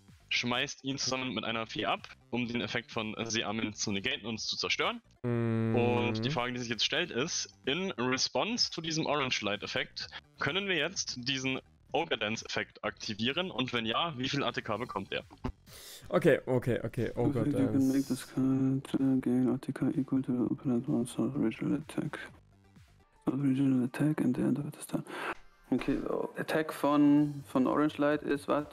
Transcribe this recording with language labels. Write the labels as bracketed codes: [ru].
[de] schmeißt ihn zusammen mit einer Fee ab, um den Effekt von The Armin zu negaten und zu zerstören. Mhm. Und die Frage, die sich jetzt stellt, ist, in Response zu diesem Orange Light Effekt, können wir jetzt diesen Ogre Dance Effekt aktivieren? Und wenn ja, wie viel ATK bekommt er? Okay, okay, okay, Ogre Dance. [en] Make this card gain ATK equal to the opponent's monster original attack. Original attack and the end of it is done. [de] Okay, so Attack von Orange Light ist was?